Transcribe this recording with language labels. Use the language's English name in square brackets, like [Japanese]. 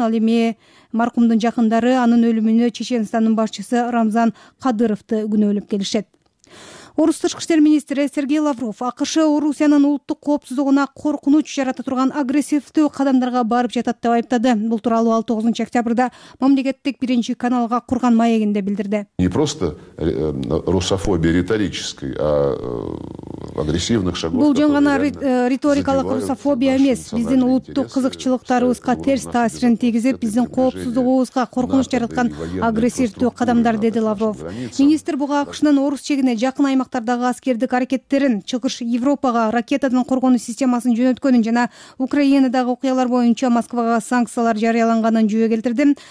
[Kyrgyz] Ал эми маркумдун жакындары анын өлүмүнө Чеченстандын башчысы Рамзан Кадыровду күнөөлөп келишет. Орус тышкы иштер министри Сергей Лавров АКШ Орусиянын улуттук коопсуздугуна коркунуч жарата турган агрессивдүү кадамдарга барып жатат деп айыптады. Бул тууралуу 19 октябрда мамлекеттик биринчи каналга курган маегинде билдирди. [Russian] Не просто русофобия риторической, а агрессивных шагов. [Kyrgyz] Бул жөн гана риторикалык русофобия эмес. Биздин улуттук кызыкчылыктарыбызга терс таасирин тийгизип, биздин коопсуздугубузга коркунуч жараткан агрессивдүү кадамдар, деди Лавров. Министр буга АКШнын орус чегине жакын аймактардагы аскердик аракеттерин, чыгыш Европага ракетанын коргонуу системасын жөнөткөнүн жана Украинадагы окуялар боюнча Москвага санкциялар жарыяланганын жүйө келтирди.